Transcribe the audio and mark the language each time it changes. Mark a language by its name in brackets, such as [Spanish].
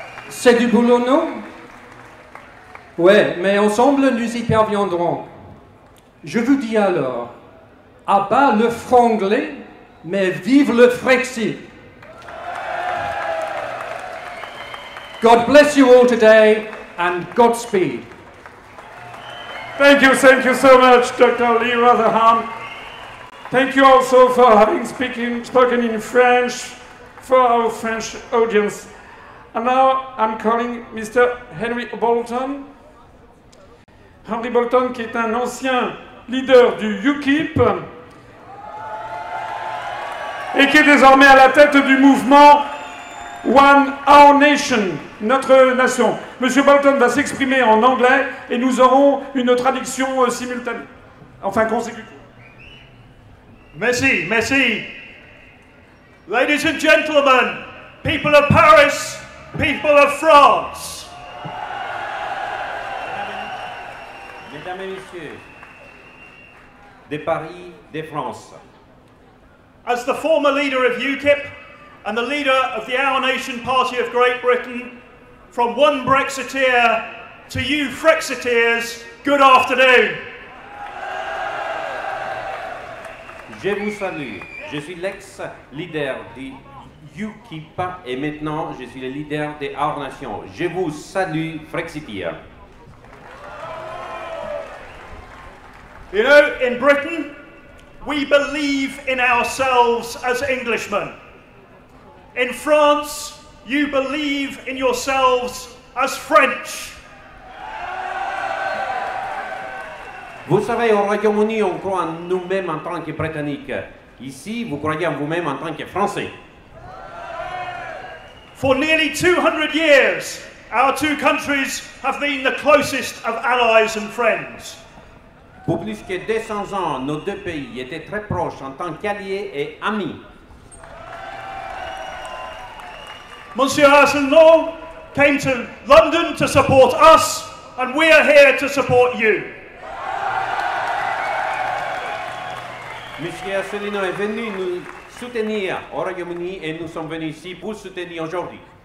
[French] C'est du boulot, non? Ouais, mais ensemble, nous y parviendrons. Je vous dis alors, à bas le franglais, mais vive le Frexit. [English] God bless you all today, and Godspeed. Thank you so much, Dr. Lee Rotherham. Thank you also for having spoken in French for our French audience. And now I'm calling Mr. Henry Bolton. Henry Bolton, [French] qui est un ancien leader du UKIP, et qui est désormais à la tête du mouvement One Our Nation, notre nation. Monsieur Bolton va s'exprimer en anglais et nous aurons une traduction simultanée, enfin consécutive. Merci, merci. [English] Ladies and gentlemen, people of Paris, people of France. [French] Mesdames et messieurs, de Paris, de France. [English] As the former leader of UKIP and the leader of the Our Nation Party of Great Britain, from one Brexiteer to you Frexiteers, good afternoon. [French] Je vous salue. Je suis l'ex-leader du UKIP et maintenant je suis le leader des Our Nation. Je vous salue, Frexiteer. [English] You know, in Britain, we believe in ourselves as Englishmen. In France, you believe in yourselves as French. [French] Vous savez, au Royaume-Uni, on croit en nous-mêmes en tant que Britanniques. Ici, vous croyez en vous-même en tant que Français. [English] For nearly 200 years, our two countries have been the closest of allies and friends. [French] Pour plus que 200 ans, nos deux pays étaient très proches en tant qu'alliés et amis. [English] Monsieur Arsenault came to London to support us, and we are here to support you. [French] Monsieur Arsenault est venu nous soutenir au Royaume-Uni et nous sommes venus ici pour soutenir aujourd'hui.